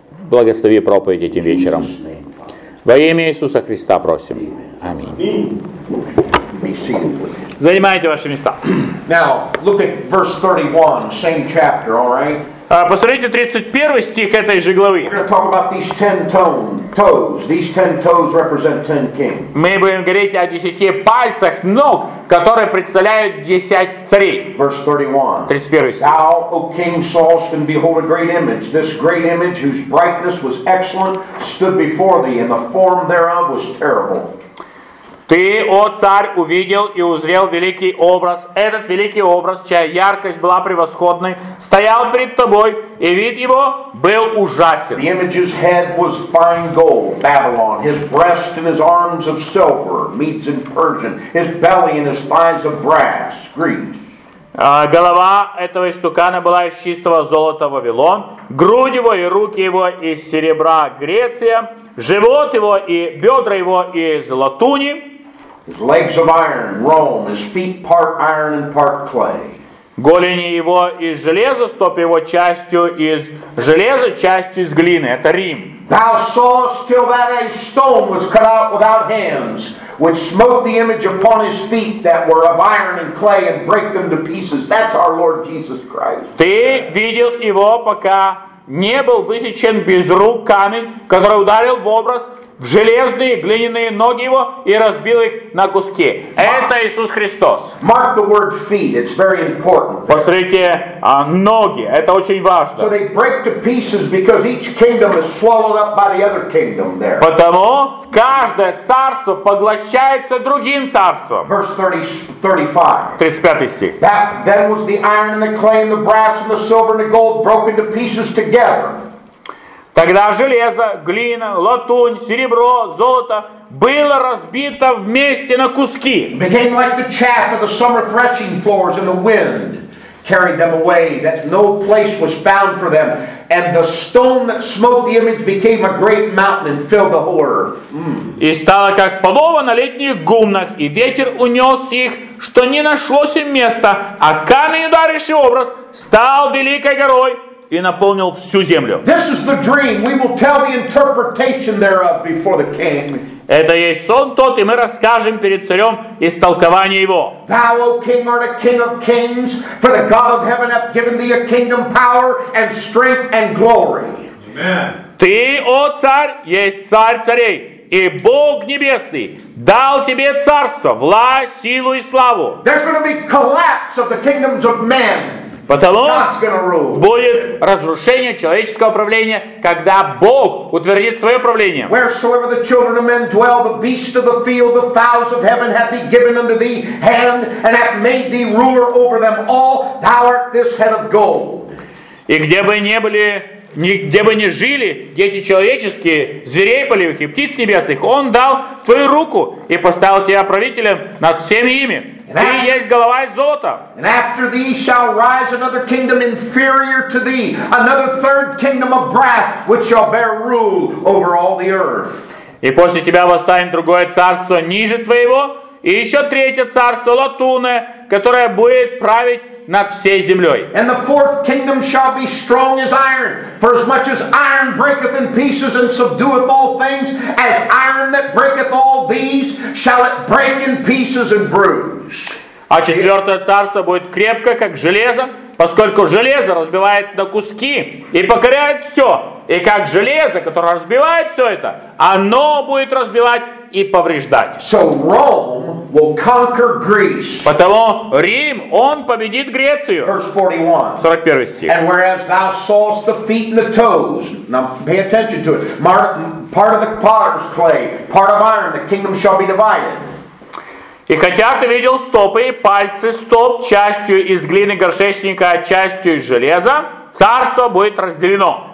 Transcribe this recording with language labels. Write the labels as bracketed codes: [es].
[ru] Благослови проповедь этим вечером. Во имя Иисуса Христа просим. Аминь. Занимайте ваши места. [en] Now, look at verse 31, same chapter, all right? [ru] Посмотрите 31 стих этой же главы. [en] We're going to talk about these 10 toes. These 10 toes represent 10 kings. [ru] Мы будем говорить о 10 пальцах ног, которые представляют 10 царей. [en] Verse 31. [ru] 31 стих. [en] Thou, O king, sawest and behold a great image. This great image, whose brightness was excellent, stood before thee, and the form thereof was terrible. [ru] Ты, о царь, увидел и узрел великий образ. Этот великий образ, чья яркость была превосходной, стоял перед тобой, и вид его был ужасен. [en] The image's head was fine gold, Babylon. His breast and his arms of silver, Medes and Persian. His belly and his thighs of brass, Greece. [ru] Голова этого истукана была из чистого золота, Вавилон. Грудь его и руки его из серебра, Греция. Живот его и бедра его из латуни. [en] His legs of iron, Rome. His feet part iron and part clay. [ru] Голени его из железа, стоп его частью из железа, частью из глины. Это Рим. [en] Thou sawest till that a stone was cut out without hands, which smote the image upon his feet that were of iron and clay and break them to pieces. That's our Lord Jesus Christ. [ru] Ты видел его, пока не был высечен без рук камень, который ударил в образ в железные глиняные ноги его и разбил их на куски. Это Иисус Христос. [en] Mark the word feet. It's very important. [ru] Посмотрите, ноги. Это очень важно. [en] So they break to pieces because each kingdom is swallowed up by the other kingdom there. [ru] Потому каждое царство поглощается другим царством. [en] Verse 35. That then was the iron and the clay and the brass and the silver and the gold broken to pieces together. [ru] Тогда железо, глина, латунь, серебро, золото было разбито вместе на куски. [en] Became like the chaff of the summer threshing floors, and the wind carried them away, that no place was found for them. And the stone that smote the image became a great mountain and filled the whole earth. [ru] И стало как полово на летних гумнах, и ветер унес их, что не нашлось им места, а камень, ударивший образ, стал великой горой и наполнил всю землю. [en] This is the dream. We will tell the interpretation thereof before the king. [ru] Это есть сон тот, и мы расскажем перед царем истолкование его. [en] Thou, O king, art a king of kings, for the God of heaven hath given thee a kingdom, power and strength and glory. Amen. [ru] Ты, о царь, есть царь царей, и Бог небесный дал тебе царство, власть, силу и славу. [en] There's going to be collapse of the kingdoms of men. [ru] Потому будет разрушение человеческого правления, когда Бог утвердит свое правление. [en] Wheresoever the children of men dwell, the beast of the field, the fowls of heaven hath he given unto thee hand, and hath made thee ruler over them all. Thou art this head of gold. [ru] И где бы ни были, нигде бы ни жили дети человеческие, зверей полевых и птиц небесных, он дал твою руку и поставил тебя правителем над всеми ими. Ты есть голова из золота. [en] And after thee shall rise another kingdom inferior to thee, another third kingdom of brass, which shall bear rule over all the earth. [ru] И после тебя восстанет другое царство ниже твоего, и еще третье царство латунное, которое будет править над всей землей. [en] And the fourth kingdom shall be strong as iron, for as much as iron breaketh in pieces and subdueth all things, as iron that breaketh all these, shall it break in pieces and bruise. [ru] А четвертое царство будет крепко, как железо, поскольку железо разбивает на куски и покоряет все. И как железо, которое разбивает все это, оно будет разбивать и повреждать. [en] So Rome will conquer Greece. [ru] Потому Рим, он победит Грецию. [en] Verse [ru] 41 стих. [en] And whereas thou sawest the feet and the toes, now pay attention to it, part of the potter's clay, part of iron, the kingdom shall be divided. [ru] И хотя ты видел стопы и пальцы стоп, частью из глины горшечника, частью из железа, царство будет разделено.